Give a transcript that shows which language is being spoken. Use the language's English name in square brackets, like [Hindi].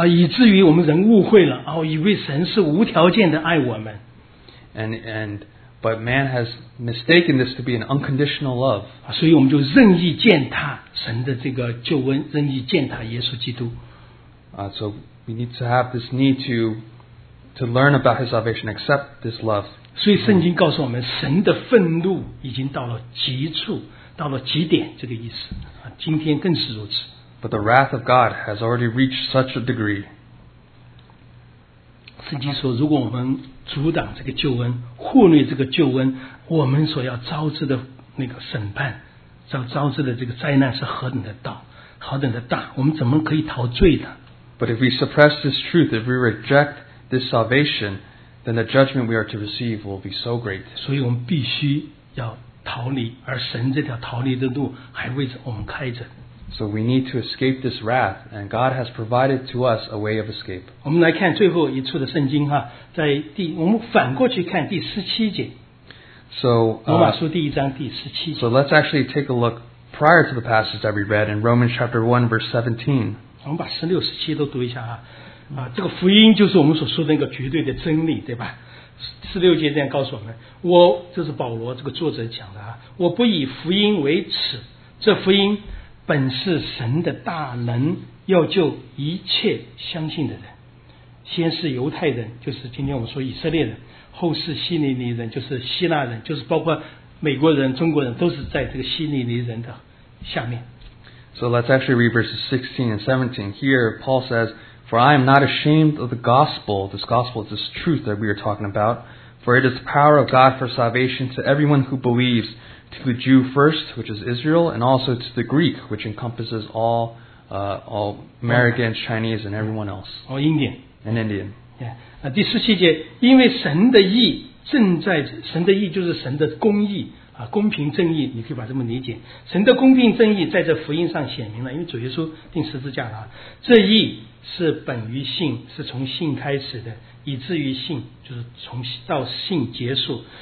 [Chinese] 以至于我们人误会了，以为神是无条件的爱我们。 [English] But man has mistaken this to be an unconditional love. [Chinese] 所以我们就任意践踏神的这个救恩，任意践踏耶稣基督。 [English] So we need to have this need to learn about His salvation, accept this love. [Chinese] 所以圣经告诉我们，神的愤怒已经到了极处，到了极点，这个意思。今天更是如此。 [English] But the wrath of God has already reached such a degree. [Chinese] 圣经说，如果我们阻挡这个救恩，忽略这个救恩，我们所要遭致的那个审判，遭致的这个灾难是何等的大，何等的大，我们怎么可以逃罪呢？ [English] But if we suppress this truth, if we reject this salvation, then the judgment we are to receive will be so great. [Chinese] 所以我们必须要逃离，而神这条逃离的路还为着我们开着。 [English] So we need to escape this wrath, and God has provided to us a way of escape. [Chinese] 我们来看最后一处的圣经哈，在第我们反过去看第十七节。 [English] So [Chinese] 罗马书第一章第十七节。 [English] So let's actually take a look prior to the passage that we read in Romans chapter 1 verse 17. [Chinese] 我们把十六十七都读一下哈。这个福音就是我们所说的那个绝对的真理，对吧？十六节这样告诉我们，我这是保罗这个作者讲的啊，我不以福音为耻，这福音。本是神的大能，要救一切相信的人，先是犹太人，就是今天我们说以色列人，后是希利尼人，就是希腊人，就是包括美国人、中国人，都是在这个希利尼人的下面。 [English] So let's actually read verses 16 and 17. Here Paul says, For I am not ashamed of the gospel. This gospel is this truth that we are talking about. For it is the power of God for salvation to everyone who believes. To the Jew first, which is Israel, and also to the Greek, which encompasses all Americans, Chinese, and everyone else. All Indian. And Indian. Yeah. [Chinese] 第十七节，因为神的义正在，神的义就是神的公义，公平正义，你可以把这么理解。神的公平正义在这福音上显明了，因为主耶稣钉十字架了。这义是本于信，是从信开始的，以至于信，就是从到信结束。